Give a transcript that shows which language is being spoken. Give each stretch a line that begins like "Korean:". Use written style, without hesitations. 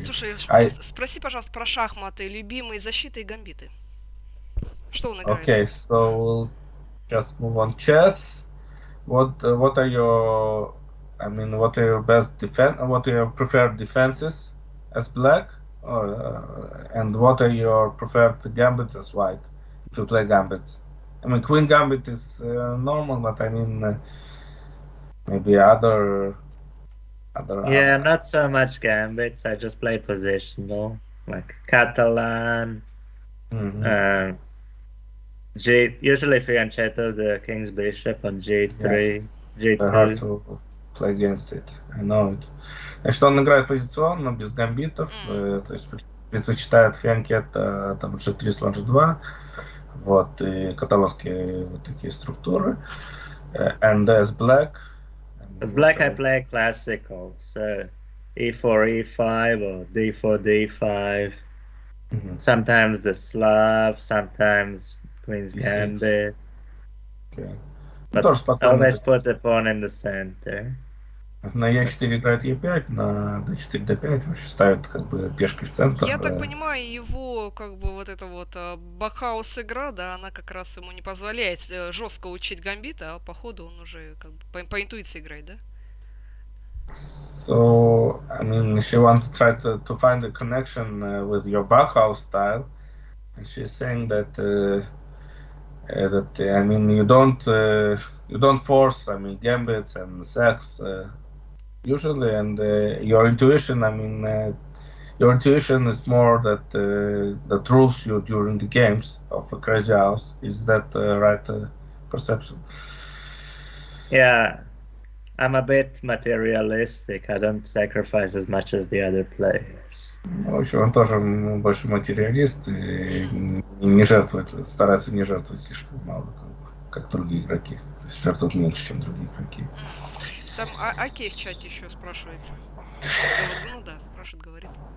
Russian: Слушай, спроси, пожалуйста, про шахматы, любимые защиты и гамбиты.
English: Okay, so we'll just move on chess. What are your, I mean, what are your best defense? What are your preferred defenses as black, and what are your preferred gambits as white? If you play gambits, I mean, queen gambit is normal, but I mean, maybe other. Yeah, not so much gambits. I just play positional, like Catalan. Usually Fianchetto, the king's bishop on g3, yes. G2. Hard to play against it, I know it.
Russian: Значит, он играет позиционно, без гамбитов, то есть предпочитает Fianchetto, там, g3, слон g2, вот, и каталонские вот такие структуры.
English: And as black? As black I play classical, so e4, e5, or d4, d5. Mm-hmm. Sometimes the Slav, sometimes Queen's Gambit. Okay. But always put the pawn in the center.
Russian: На e4 играет e5, на d4 d5 вообще ставит как бы пешки в центр. Я так понимаю, его как бы вот эта вот Бакхаус игра, да, она как раз ему не позволяет жестко учить гамбит, а походу он уже как бы по интуиции играет, да?
English: So, I mean, she wants to try to find a connection with your Bakhaus style. And she's saying that I mean, you don't force, I mean, gambits and sex usually, and your intuition, I mean, your intuition is more that rules you during the games of a Crazy House. Is that right perception? Yeah, I'm a bit materialistic. I don't sacrifice as much as the other players.
Russian: В общем, он тоже больше материалист и не жертвует, старается не жертвовать слишком мало, как другие игроки. То есть жертвует меньше, чем другие игроки. Там Окей в чате еще спрашивает. Ну да, спрашивает, говорит.